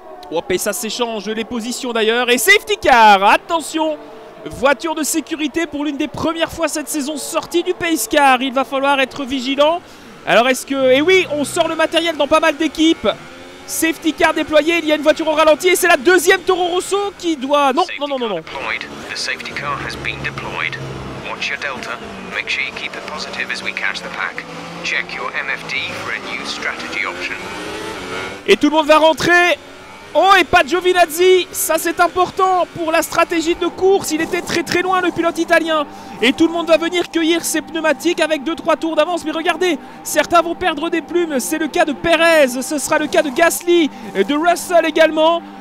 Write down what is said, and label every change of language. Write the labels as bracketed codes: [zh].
[fr] Hop, et ça s'échange les positions d'ailleurs. Et safety car, attention, voiture de sécurité pour l'une des premières fois cette saison sortie du pace car. Il va falloir être vigilant. Alors est-ce que... Et oui, on sort le matériel dans pas mal d'équipes. Safety car déployé, il y a une voiture au ralenti. Et c'est la deuxième Toro Rosso qui doit... Non, safety non. [en] Deployed. The safety car has been deployed. Watch your delta. Make sure you keep it positive as we catch the pack. Check your MFD for a new strategy option. [fr] Et tout le monde va rentrer. Oh, et pas Giovinazzi, ça c'est important pour la stratégie de course, il était très très loin le pilote italien. Et tout le monde va venir cueillir ses pneumatiques avec 2-3 tours d'avance. Mais regardez, certains vont perdre des plumes, c'est le cas de Perez, ce sera le cas de Gasly, de Russell également.